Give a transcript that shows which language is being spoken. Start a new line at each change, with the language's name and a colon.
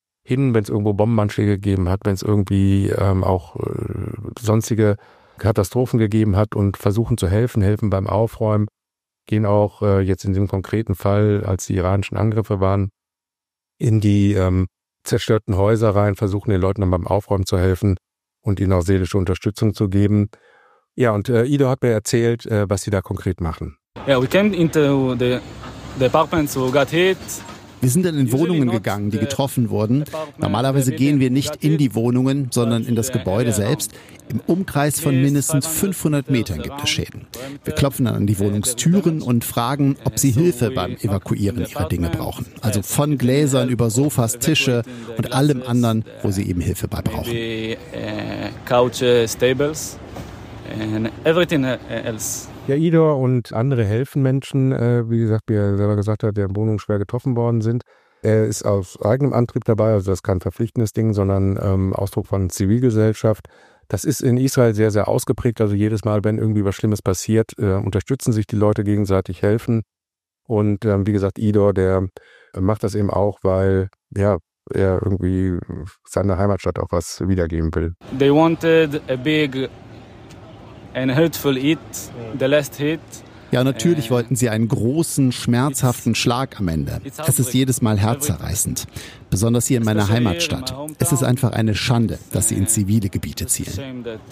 German: hin, wenn es irgendwo Bombenanschläge gegeben hat, wenn es irgendwie auch sonstige Katastrophen gegeben hat und versuchen zu helfen, helfen beim Aufräumen, gehen auch jetzt in dem konkreten Fall, als die iranischen Angriffe waren, in die zerstörten Häuser rein, versuchen den Leuten dann beim Aufräumen zu helfen und ihnen auch seelische Unterstützung zu geben. Ja, und Ido hat mir erzählt, was sie da konkret machen.
English: Yeah, we came into the apartments who got hit.
German: Wir sind dann in Wohnungen gegangen, die getroffen wurden. Normalerweise gehen wir nicht in die Wohnungen, sondern in das Gebäude selbst. Im Umkreis von mindestens 500 Metern gibt es Schäden. Wir klopfen dann an die Wohnungstüren und fragen, ob sie Hilfe beim Evakuieren ihrer Dinge brauchen. Also von Gläsern über Sofas, Tische und allem anderen, wo sie eben Hilfe bei brauchen.
English: Couches, tables and everything else.
German: Ja, Ido und andere helfen Menschen, wie gesagt, wie er selber gesagt hat, der in Wohnungen schwer getroffen worden sind. Er ist aus eigenem Antrieb dabei, also das ist kein verpflichtendes Ding, sondern Ausdruck von Zivilgesellschaft. Das ist in Israel sehr, sehr ausgeprägt. Also jedes Mal, wenn irgendwie was Schlimmes passiert, unterstützen sich die Leute gegenseitig, helfen. Und wie gesagt, Ido, der macht das eben auch, weil ja, er irgendwie seiner Heimatstadt auch was wiedergeben will.
English: They wanted a big and hurtful hit, the last hit.
German: Ja, natürlich wollten sie einen großen, schmerzhaften Schlag am Ende. Es ist jedes Mal herzerreißend. Besonders hier in meiner Heimatstadt. Es ist einfach eine Schande, dass sie in zivile Gebiete zielen.